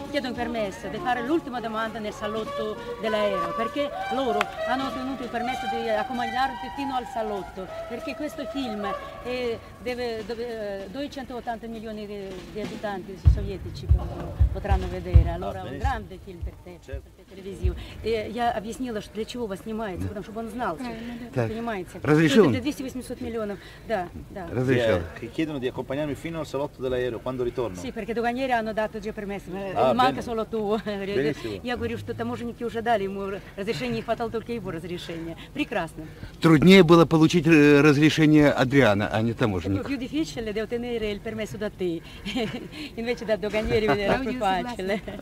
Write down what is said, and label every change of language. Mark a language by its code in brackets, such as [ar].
[it] Chiedo un permesso di fare l'ultima domanda nel salotto dell'aereo, perché loro hanno ottenuto il permesso di accompagnarti fino al salotto, perché questo film è, deve 280 milioni di abitanti sovietici potranno vedere. Allora, un grande film per te. Certo. [ru] Я объяснила, для чего вас снимается, потому чтобы он знал, понимаете? Разрешил. Это 200-800 миллионов, да, да. Разрешил. [it] Che chiedono di accompagnarmi fino al salotto dell'aereo quando ritorno. Sì, perché doganiere hanno dato già permesso, manca solo tu. [ru] Я говорю, что таможенники уже дали ему разрешение, хватало только его разрешения. Прекрасно. Труднее было получить разрешение Адриана, а не таможенника. [it] Più difficile di ottenere il permesso da te, invece da doganiere era più facile.